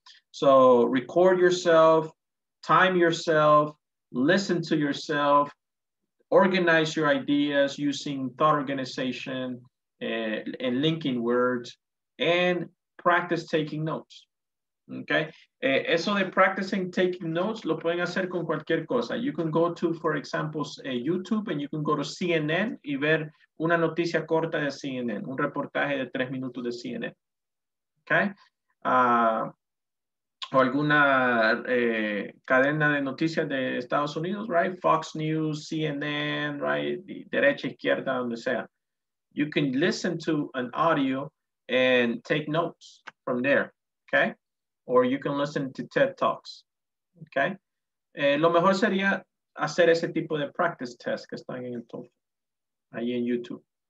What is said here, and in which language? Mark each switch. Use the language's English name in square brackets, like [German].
[English] So record yourself, time yourself, listen to yourself, organize your ideas using thought organization and linking words, and practice taking notes, okay? [Spanish] Eso de [English] practicing taking notes [Spanish] lo pueden hacer con cualquier cosa. [English] You can go to, for example, YouTube, and you can go to CNN [Spanish] y ver una noticia corta de CNN, un reportaje de 3 minutos de CNN, okay? O alguna cadena de noticias de Estados Unidos, right? Fox News, CNN, right? Derecha, izquierda, donde sea. [English] You can listen to an audio and take notes from there, okay? Or you can listen to TED Talks, okay? [Spanish] Lo mejor sería hacer ese tipo de practice test que están en el TOEFL, ahí en YouTube.